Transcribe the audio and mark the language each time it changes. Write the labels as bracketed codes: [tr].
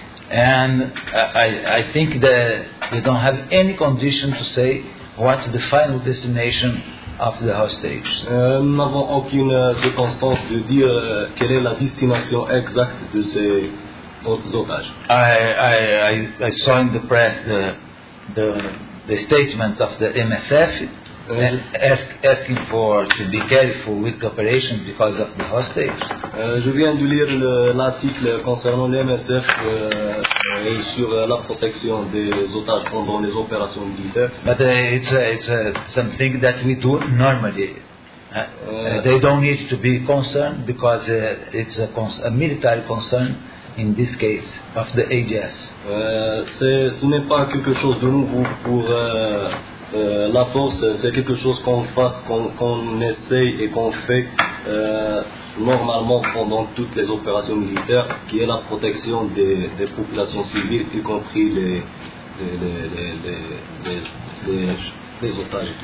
[en] And I think that they don't have any condition to say what's the final destination of the hostages. [fr] Nous n'avons aucune circonstance de dire quelle est la destination exacte de ces otages. [en] I saw in the press the statements of the MSF. asking for to be careful with the operation because of the hostage. [fr] Je viens de lire l'article concernant le MSF et sur la protection des otages pendant les opérations militaires. [en] But it's something that we do normally. They don't need to be concerned because it's a military concern. In this case, of the AGS. [fr] Ce n'est pas quelque chose de nouveau pour la force, c'est quelque chose qu'on fasse, qu'on essaye et qu'on fait normalement pendant toutes les opérations militaires, qui est la protection des populations civiles, y compris les otages.